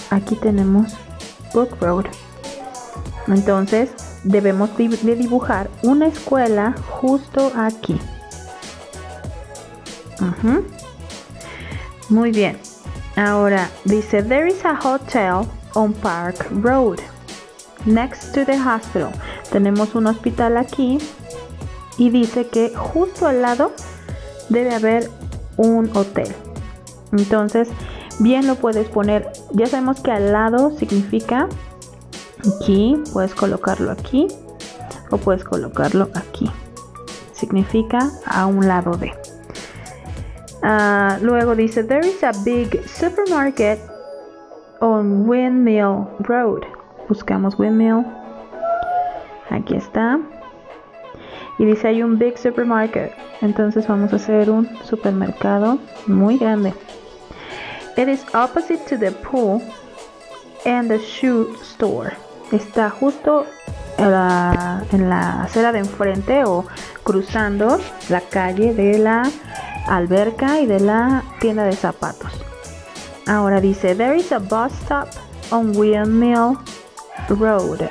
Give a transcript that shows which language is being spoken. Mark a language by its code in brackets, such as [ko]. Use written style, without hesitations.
[es] Aquí tenemos Book Road. Entonces debemos de dibujar una escuela justo aquí. Muy bien. Ahora dice, [en] there is a hotel on Park Road next to the hospital. [es] Tenemos un hospital aquí y dice que justo al lado debe haber un hotel. Entonces bien lo puedes poner, ya sabemos que al lado significa aquí, puedes colocarlo aquí o puedes colocarlo aquí, significa a un lado de. Luego dice, [en] there is a big supermarket on Windmill Road. [es] Buscamos Windmill, aquí está, y dice hay un [en] big supermarket, [es] entonces vamos a hacer un supermercado muy grande. [en] It is opposite to the pool and the shoe store. [es] Está justo en la acera de enfrente o cruzando la calle de la alberca y de la tienda de zapatos. Ahora dice, [en] there is a bus stop on Windmill Road.